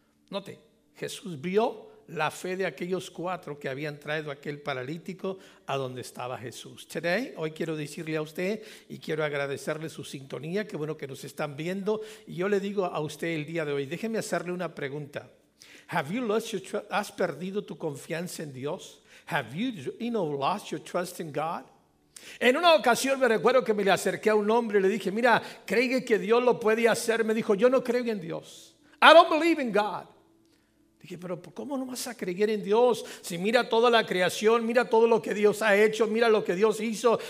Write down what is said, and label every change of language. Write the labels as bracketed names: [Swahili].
[Spanish] Note, Jesús vio la fe de aquellos cuatro que habían traído aquel paralítico a donde estaba Jesús. Today, hoy quiero decirle a usted y quiero agradecerle su sintonía, qué bueno que nos están viendo. Y yo le digo a usted el día de hoy, déjeme hacerle una pregunta. [English] Have you lost your trust? [Spanish] ¿Has perdido tu confianza en Dios? [English] Have you, you know, lost your trust in God? [Spanish] En una ocasión me recuerdo que me le acerqué a un hombre y le dije, mira, ¿cree que Dios lo puede hacer? Me dijo, yo no creo en Dios. [English] I don't believe in God. [Spanish] Dije, pero ¿cómo no vas a creer en Dios? Si mira toda la creación, mira todo lo que Dios ha hecho, mira lo que Dios hizo.